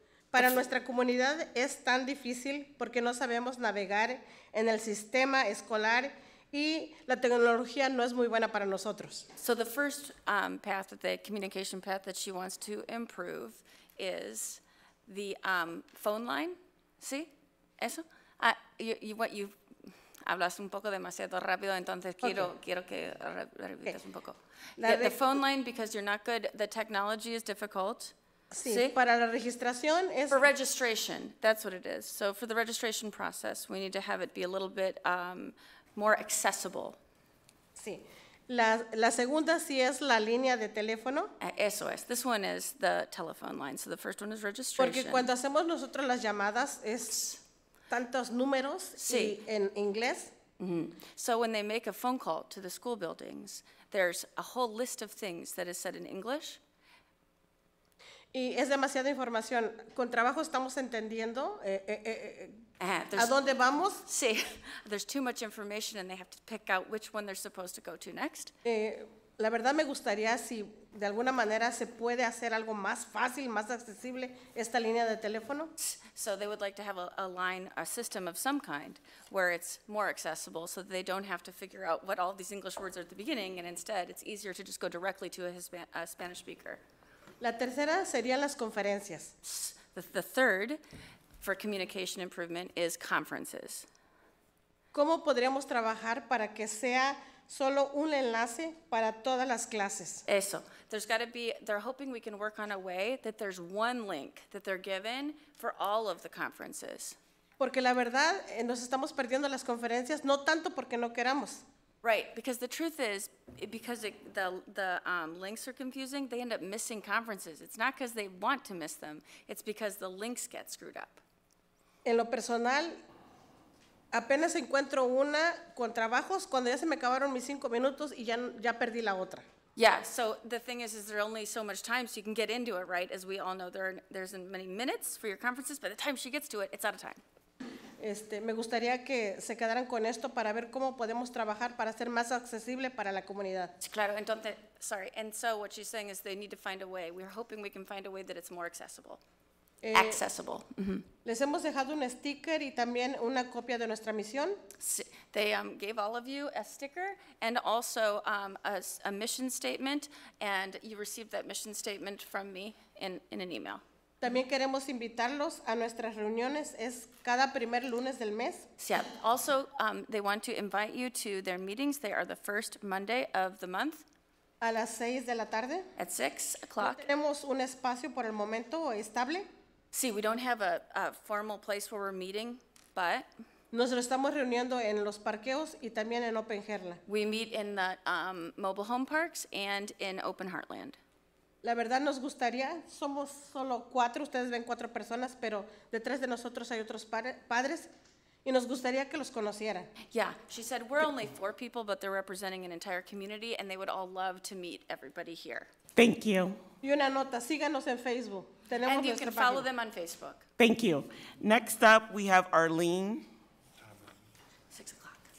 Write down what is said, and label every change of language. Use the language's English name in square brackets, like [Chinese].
[Spanish] Para nuestra comunidad es tan difícil porque no sabemos navegar en el sistema escolar y la tecnología no es muy buena para nosotros. [English] So the first path, the communication path that she wants to improve is the phone line. [Spanish] ¿Sí? ¿Eso? You hablas un poco demasiado rápido, entonces quiero que repitas un poco. [English] The phone line, because you're not good, the technology is difficult. [Spanish] Sí, ¿sí? Para la registración es... [English] For registration, that's what it is. So for the registration process, we need to have it be a little bit... more accessible. [Spanish] Sí. La segunda sí es la línea de teléfono. Eso es. [English] This one is the telephone line. So the first one is registration. [Spanish] Porque cuando hacemos nosotros las llamadas es tantos números sí. Y en inglés. Mm-hmm. [English] So when they make a phone call to the school buildings, there's a whole list of things that is said in English. [Spanish] Y es demasiada información. Con trabajo estamos entendiendo a dónde vamos. [English] Sí, there's too much information and they have to pick out which one they're supposed to go to next. [Spanish] La verdad me gustaría si de alguna manera se puede hacer algo más fácil, más accesible, esta línea de teléfono. [English] So they would like to have a line, a system of some kind, where it's more accessible so that they don't have to figure out what all these English words are at the beginning, and instead it's easier to just go directly to a Spanish speaker. [Spanish] La tercera serían las conferencias. [English] The third for communication improvement is conferences. [Spanish] ¿Cómo podríamos trabajar para que sea solo un enlace para todas las clases? Eso. [English] There's got to be, they're hoping we can work on a way that there's one link that they're given for all of the conferences. [Spanish] Porque la verdad, nos estamos perdiendo las conferencias, no tanto porque no queramos. [English] Right, because the truth is, because the links are confusing, they end up missing conferences. It's not because they want to miss them, it's because the links get screwed up. [Spanish] En lo personal, apenas encuentro una con trabajos cuando ya se me acabaron mis 5 minutos y ya perdí la otra. [English] Yeah, so the thing is there only so much time so you can get into it, right? As we all know, there's many minutes for your conferences. By the time she gets to it, it's out of time. [Spanish] Me gustaría que se quedaran con esto para ver cómo podemos trabajar para ser más accesible para la comunidad. Claro, entonces, sorry. [English] And so what she's saying is they need to find a way. We're hoping we can find a way that it's more accessible. Accessible. Mm-hmm. [Spanish] Les hemos dejado un sticker y también una copia de nuestra misión. [English] They gave all of you a sticker and also a mission statement, and you received that mission statement from me in an email. [Spanish] También queremos invitarlos a nuestras reuniones. Es cada primer lunes del mes. [English] Yeah. Also, they want to invite you to their meetings. They are the first Monday of the month. [Spanish] A las 6 de la tarde. [English] At 6 o'clock. [Spanish] No tenemos un espacio por el momento estable. [English] See, we don't have a formal place where we're meeting, but [Spanish] nos lo estamos reuniendo en los parqueos y también en Open Heartland. [English] We meet in the mobile home parks and in Open Heartland. [Spanish] La verdad nos gustaría, somos solo 4, ustedes ven 4 personas, pero detrás de nosotros hay otros padres y nos gustaría que los conocieran. [English] Yeah, she said we're only 4 people, but they're representing an entire community and they would all love to meet everybody here. Thank you. [Spanish] Y una nota, síganos en Facebook. [English] And you can follow them on Facebook. Thank you. Next up, we have Arlene. 6 o'clock.